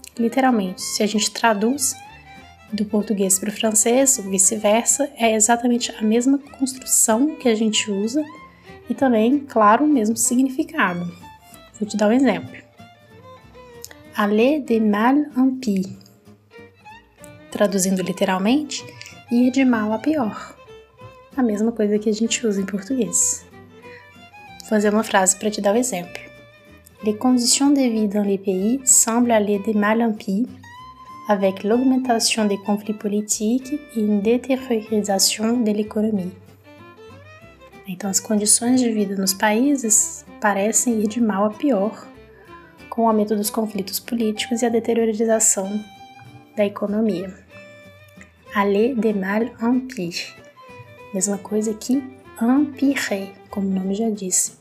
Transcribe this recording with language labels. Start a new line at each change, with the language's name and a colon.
Portuguese: Literalmente, se a gente traduz do português para o francês, ou vice-versa, é exatamente a mesma construção que a gente usa e também, claro, o mesmo significado. Vou te dar um exemplo.
French: Aller de mal en pis.
Portuguese: Traduzindo literalmente, ir de mal a pior. A mesma coisa que a gente usa em português. Vou fazer uma frase para te dar um exemplo.
French: Les conditions de vie dans les pays semblent aller de mal en pis, avec l'augmentation des conflits politiques et une détériorisation de l'économie.
Portuguese: Então, as condições de vida nos países parecem ir de mal a pior, com o aumento dos conflitos políticos e a deteriorização da economia.
French: Aller de mal en pis.
Portuguese: Mesma coisa que empirer, como o nome já diz.